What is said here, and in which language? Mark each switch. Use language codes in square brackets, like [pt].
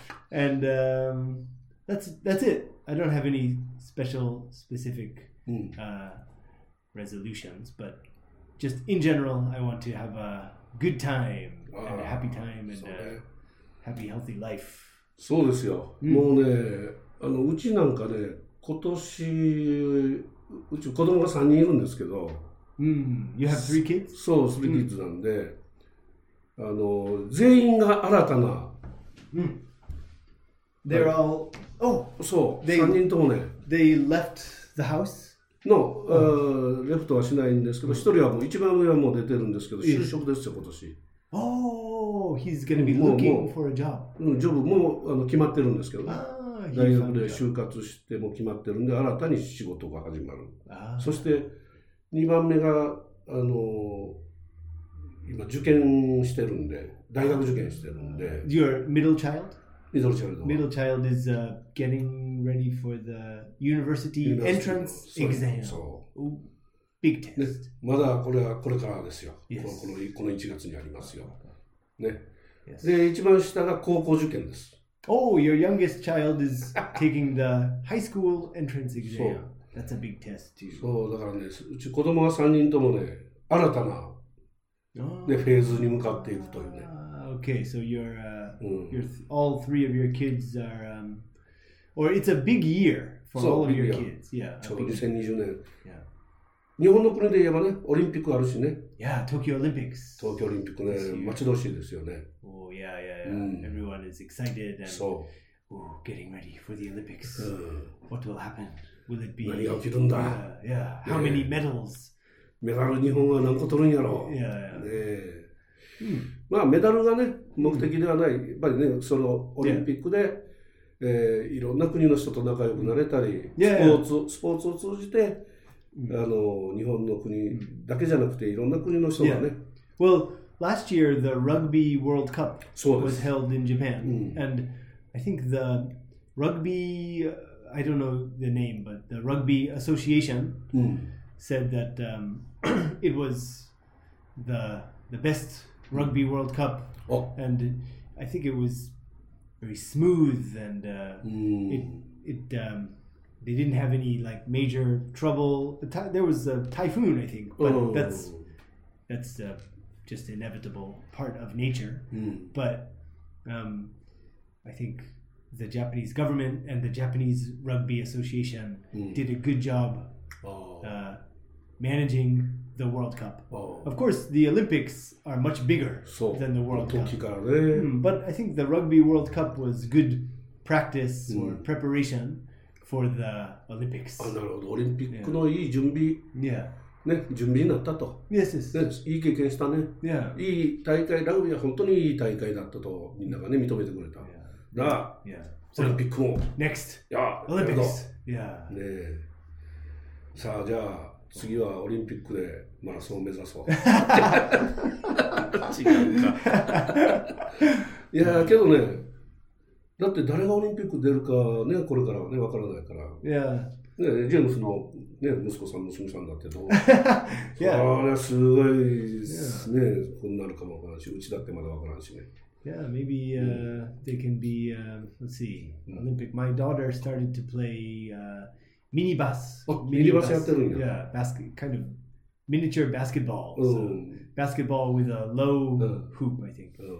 [en] And that's it. I don't have any specific resolutions, but just in general, I want to have a good time and a happy time and a happy, healthy life. [ja] そうですよ。もうね、あのうちなんかね、今年うち子供が3人いるんですけど。 [en] You have three kids? [ja] そう、three kidsなんで、あの全員が新たな。 [en] They're all. Oh, [ja] そう。3人ともね。 [en] They left the house? [ja] No, レフトはしないんですけど、一人はもう一番上はもう出てるんですけど、就職ですよ今年。 [en] Oh, he's going to be looking for a job. [ja] ジョブもあの決まってるんですけど、大学で就活しても決まってるんで、新たに仕事が始まる。そして2番目が、あの今受験してるんで、大学受験してるんで。 [en] Your middle child? Middle child. Middle child is getting ready for the university entrance exam. [ja] そう。 [en] Big test. [ja] まだこれはこれからですよ。この1月にありますよ。ね。で、一番下が高校受験です。 [en] Oh, your youngest child is taking the high school entrance exam. That's a big test too. [ja] そう、だからね、うち子供が3人ともね、新たな、ね、フェーズに向かっていくというね。 [en] Okay, so you're, all three of your kids are, or it's a big year for all of your kids. Yeah, [ja] ちょうど2020年。Yeah. 日本の国で言えばね、オリンピックあるしね。 [en] Yeah, Tokyo Olympics. [ja] 東京オリンピックね、待ち遠しいですよね。 Oh, yeah, yeah, yeah. [en] Everyone is excited and getting ready for the Olympics. What will happen? Will it be... [ja] 何が起きるんだ [en] Yeah, how many medals? [ja] メダル日本は何個取るんやろ Yeah, yeah. ね、まあ、メダルがね、目的ではない。やっぱりね、そのオリンピックで、いろんな国の人と仲良くなれたり、スポーツを通じて、あの、日本の国だけじゃなくて、いろんな国の人がね。 [en] Well, last year the Rugby World Cup was held in Japan. And I think the Rugby, I don't know the name, but the Rugby Association said that it was the best Rugby World Cup. And I think it was very smooth and they didn't have any like major trouble. There was a typhoon, I think, but that's just inevitable part of nature. But I think the Japanese government and the Japanese Rugby Association did a good job managing the World Cup. Of course, the Olympics are much bigger than the World Cup. But I think the Rugby World Cup was good practice or preparation. For the Olympics. [ja] あ、なるほど。オリンピックのいい準備、 yeah. ね、準備になったと。 [en] Yes, yes. [ja] ね、いい経験したね。 Yeah. いい大会、ラグビーは本当にいい大会だったとみんながね、認めてくれた。 Yeah. だ、 yeah. オリンピックも。 [en] Next. Yeah, Olympics. [ja] ね、さあ、じゃあ次はオリンピックでマラソンを目指そう。違うか。いや、けどね、だって誰がオリンピック出るかね、これからね、わからないから。 Yeah. ね、ジェームスの、ね、息子さん、娘さんだってどう yeah. あれすごいですね、yeah. こうなるかもわからんし、うちだってまだわからんしね。 [en] Yeah, maybe they can be, let's see, Olympic. My daughter started to play minibus. [ja] Minibus やってるんや。 [en] Yeah, kind of miniature basketball. So, basketball with a low hoop, I think.